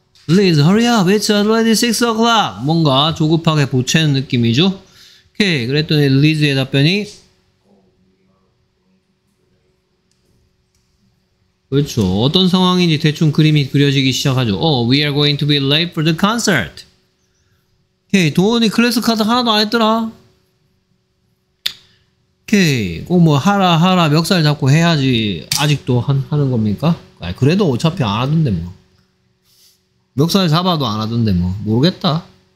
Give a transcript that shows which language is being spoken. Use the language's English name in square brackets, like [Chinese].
[English] Liz, hurry up! It's already 6 o'clock! [Korean] 뭔가 조급하게 보채는 느낌이죠? 오케이, 그랬더니 리즈의 답변이 그렇죠. 어떤 상황인지 대충 그림이 그려지기 시작하죠. [English] Oh, we are going to be late for the concert. [Korean] 오케이, 도원이 클래스 카드 하나도 안 했더라. 오케이, 꼭 뭐 하라 하라 멱살 잡고 해야지 아직도 하는 겁니까? 아니, 그래도 어차피 안 하던데 뭐. 멱살 잡아도 안 하던데 뭐. 모르겠다.